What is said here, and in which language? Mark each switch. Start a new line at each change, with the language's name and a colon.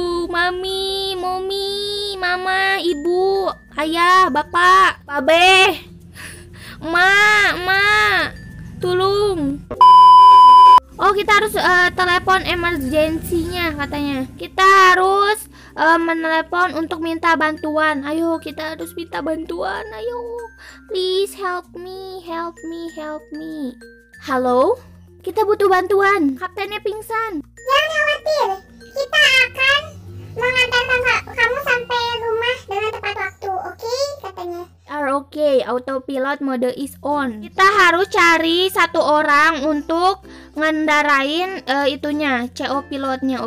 Indonesian: Mami, mommy, mama, ibu, ayah, bapak, babe, ma, tolong. Oh, kita harus telepon emergensinya katanya. Kita harus menelepon untuk minta bantuan. Ayo, kita harus minta bantuan. Ayo.
English: Please help me, help me, help me.
Indonesian: Halo? Kita butuh bantuan. Kaptennya pingsan. Jangan khawatir. Kita akan mengantar kamu sampai rumah dengan tepat waktu. Oke, katanya.
English: Okay, autopilot mode is on.
Indonesian: Kita harus cari satu orang untuk ngendarain itunya, CO pilotnya.